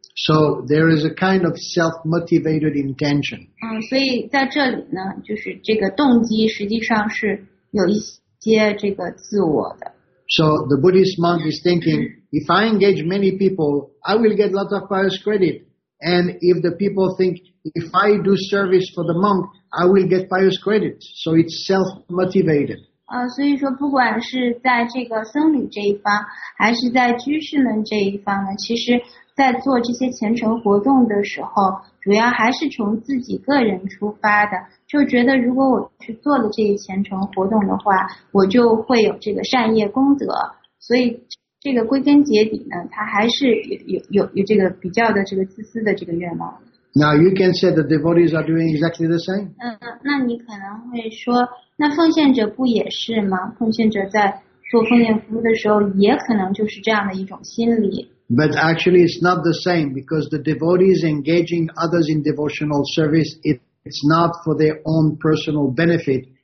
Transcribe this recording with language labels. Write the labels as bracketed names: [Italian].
[English] So there is a kind of self-motivated intention. [Chinese] 所以在这里呢，就是这个动机实际上是有一些这个自我的。 [English] So the Buddhist monk is thinking, if I engage many people, I will get lots of pious credit. And if the people think, if I do service for the monk,I will get pious credit, so it's self-motivated. [Chinese] 所以说不管是在这个僧侣这一方，还是在居士们这一方呢，其实在做这些虔诚活动的时候，主要还是从自己个人出发的，就觉得如果我去做了这些虔诚活动的话，我就会有这个善业功德，所以这个归根结底呢，它还是有这个比较的这个自私的这个愿望。 [English] Now you can say the devotees are doing exactly the same. [Chinese] 那你可能会说，那奉献者不也是吗？奉献者在做奉献服务的时候，也可能就是这样的一种心理。 [English] But actually, it's not the same because the devotees engaging others in devotional service, it's not for their own personal benefit.